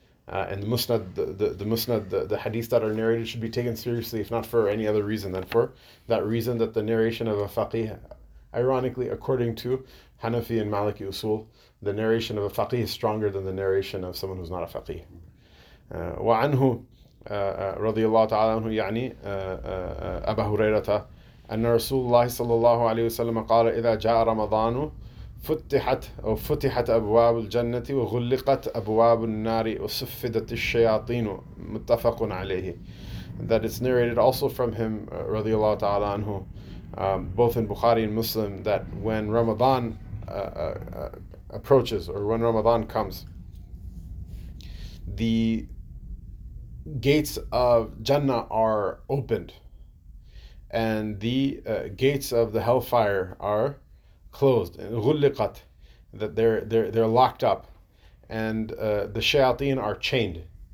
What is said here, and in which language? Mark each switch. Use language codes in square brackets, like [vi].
[en] And the musnad, the hadith that are narrated should be taken seriously, if not for any other reason than for that reason that the narration of a faqih, ironically, according to Hanafi and Maliki usul, the narration of a faqih is stronger than the narration of someone who's not a faqih. [ar] وعنه رضي الله تعالى عنه يعني أبا هريرة أن رسول الله صلى الله عليه وسلم قال إذا جاء رمضان فتحت أو فتحت أبواب الجنة وغلقت أبواب النار وصفدت الشياطين متفق عليه. [en] That is narrated also from him [ar] رضي الله تعالى عنه, [en] both in Bukhari and Muslim, that when Ramadan approaches or when Ramadan comes, the gates of Jannah are opened and the gates of the hellfire are closed, غُلِّقَت, that they're locked up, and the shayateen are chained.